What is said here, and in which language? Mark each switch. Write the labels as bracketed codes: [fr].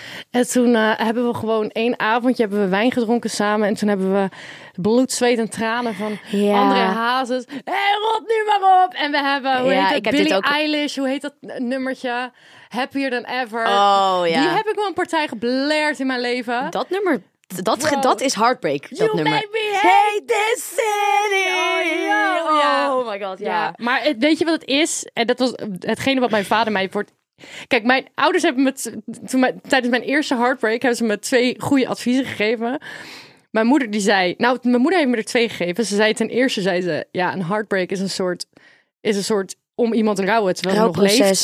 [nl] En toen hebben we gewoon één avondje hebben we wijn gedronken samen. En toen hebben we bloed, zweet en tranen van André Hazes. Hé, rot nu maar op! En we hebben, Billie Eilish, hoe heet dat nummertje? Happier Than Ever. Oh, ja. Die heb ik wel een partij geblaird in mijn leven. Dat nummer, dat is heartbreak, dat [en] you [nl] nummer. [en] You made me hate this city! Oh my god, [nl] ja. Maar weet je wat het is? En dat was hetgene wat mijn vader mij voor... Kijk, mijn ouders hebben me... tijdens mijn eerste heartbreak hebben ze me 2 goede adviezen gegeven. Mijn moeder die zei... Nou, mijn moeder heeft me er 2 gegeven. Ze zei ten eerste, een heartbreak is een soort om iemand te rouwen terwijl hij nog leeft.